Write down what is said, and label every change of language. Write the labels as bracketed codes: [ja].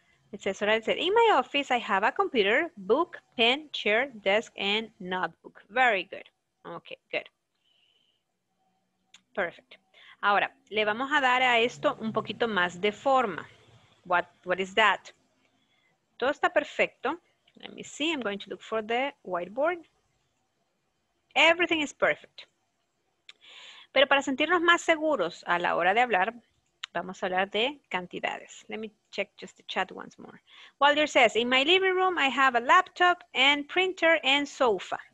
[en] It says, what I said, in my office, I have a computer, book, pen, chair, desk, and notebook. Very good. Okay, good. Perfect. [es] Ahora, le vamos a dar a esto un poquito más de forma. [en] What is that? [es] Todo está perfecto. [en] Let me see. I'm going to look for the whiteboard. Everything is perfect. [es] Pero para sentirnos más seguros a la hora de hablar, vamos a hablar de cantidades. [en] Let me check just the chat once more. Walter says, in my living room, I have a laptop and printer and sofa.